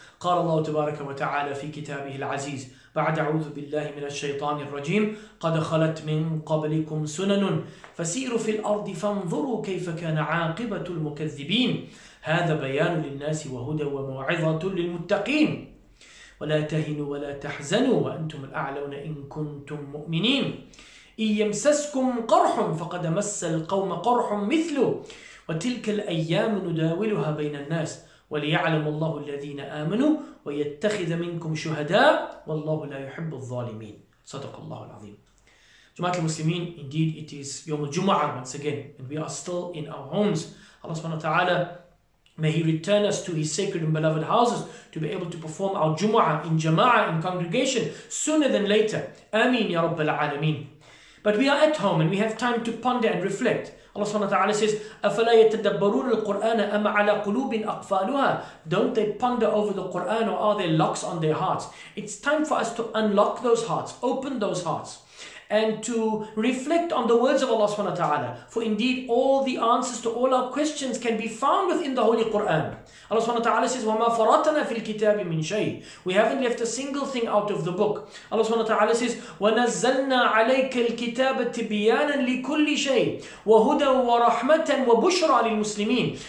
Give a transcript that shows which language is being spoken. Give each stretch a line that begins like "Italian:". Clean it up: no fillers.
Arabic: قال الله تبارك وتعالى في كتابه العزيز بعد: أعوذ بالله من الشيطان الرجيم، قد خلت من قبلكم سنن فسيروا في الأرض فانظروا كيف كان عاقبة المكذبين، هذا بيان للناس وهدى وموعظة للمتقين، ولا تهنوا ولا تحزنوا وأنتم الأعلون إن كنتم مؤمنين، إن يمسسكم قرح فقد مس القوم قرح مثله، وتلك الأيام نداولها بين الناس وليعلم الله الذين آمنوا ويتخذ منكم شهداء والله لا يحب الظالمين، صدق الله العظيم. جماعة المسلمين،
English: indeed it is
Arabic: يوم الجمعة
English: once again and we are still in our homes. Allah subhanahu wa ta'ala, may he return us to his sacred and beloved houses to be able to perform our Jumu'ah in Jama'ah, in congregation, sooner than later. Ameen ya Rabbal Alameen. But we are at home and we have time to ponder and reflect. Allah subhanahu wa ta'ala says,
Arabic: أَفَلَا يَتَدَّبَّرُونَ الْقُرْآنَ أَمَ عَلَى قُلُوبٍ أَقْفَالُهَا.
English: Don't they ponder over the Qur'an or are there locks on their hearts? It's time for us to unlock those hearts, open those hearts, and to reflect on the words of Allah subhanahu wa ta'ala. For indeed, all the answers to all our questions can be found within the Holy Qur'an. Allah subhanahu wa ta'ala says,
Arabic: وَمَا فَرَطَنَا فِي الْكِتَابِ مِنْ شَيْءٍ.
English: We haven't left a single thing out of the book. Allah subhanahu wa ta'ala says,
Arabic: وَنَزَّلْنَا عَلَيْكَ الْكِتَابَ تِبِيَانًا لِكُلِّ شَيْءٍ وَهُدًى وَرَحْمَةً وَبُشْرًا لِلْمُسْلِمِينَ.